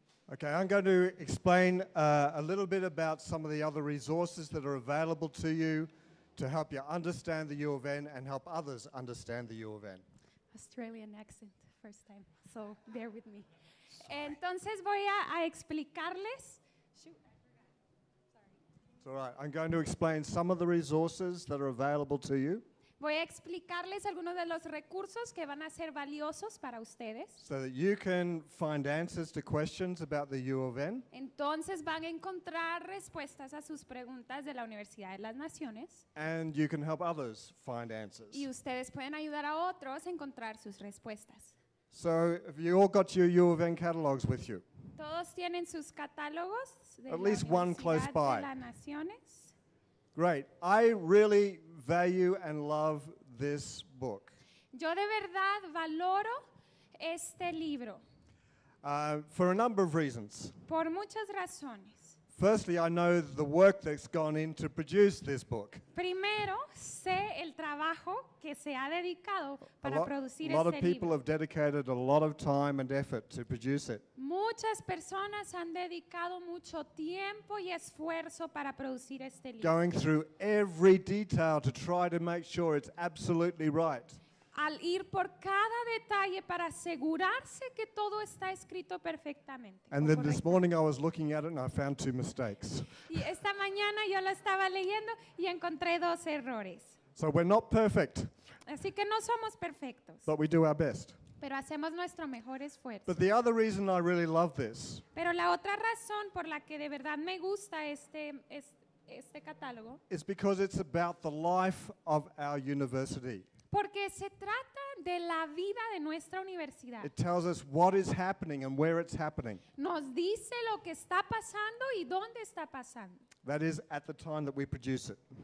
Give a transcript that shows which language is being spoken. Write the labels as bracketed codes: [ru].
[en] Okay, I'm going to explain a little bit about some of the other resources that are available to you to help you understand the U of N and help others understand the U of N. Australian accent, first time, so bear with me. Sorry. [es] Entonces voy a explicarles. [en] Shoot, I forgot. Sorry. It's all right. I'm going to explain some of the resources that are available to you. [es] Voy a explicarles algunos de los recursos que van a ser valiosos para ustedes. [en] So that you can find answers to questions about the U of N. [es] Entonces van a encontrar respuestas a sus preguntas de la Universidad de las Naciones. [en] And you can help others find answers. [es] Y ustedes pueden ayudar a otros a encontrar sus respuestas. [en] So have you all got your U of N catalogs with you? [es] Todos tienen sus catálogos de [en] at least one close by. [es] De las Naciones. [en] Great. I really value and love this book. [es] Yo de verdad valoro este libro. [en] For a number of reasons. [es] Por muchas razones. [en] Firstly, I know the work that's gone in to produce this book. [es] Primero, sé el trabajo que se ha dedicado para producir este libro. [en] A lot of people have dedicated a lot of time and effort to produce it. [es] Muchas personas han dedicado mucho tiempo y esfuerzo para producir este libro. [en] Going through every detail to try to make sure it's absolutely right. [es] Al ir por cada detalle para asegurarse que todo está escrito perfectamente. [en] And then this morning I was looking at it and I found two mistakes. [es] Y esta mañana yo lo estaba leyendo y encontré dos errores. [en] So we're not perfect. [es] Así que no somos perfectos. [en] But we do our best. [es] Pero hacemos nuestro mejor esfuerzo. [en] But the other reason I really love this. [es] Pero la otra razón por la que de verdad me gusta este catálogo. [en] Is because it's about the life of our university. [es] Porque se trata de la vida de nuestra universidad. [en] It tells us what is happening and where it's happening. [es] Nos dice lo que está pasando y dónde está pasando. [en] That is at the time that we produce it.